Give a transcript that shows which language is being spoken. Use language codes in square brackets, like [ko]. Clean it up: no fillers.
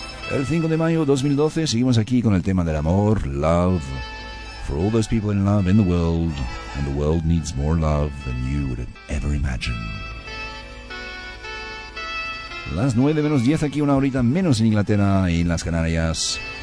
[es] El 5 de mayo 2012 seguimos aquí con el tema del amor, Love. [en] For all those people in love in the world, and the world needs more love than you would have ever imagined. [es] Las 9 menos 10 aquí, una horita menos en Inglaterra y en las Canarias.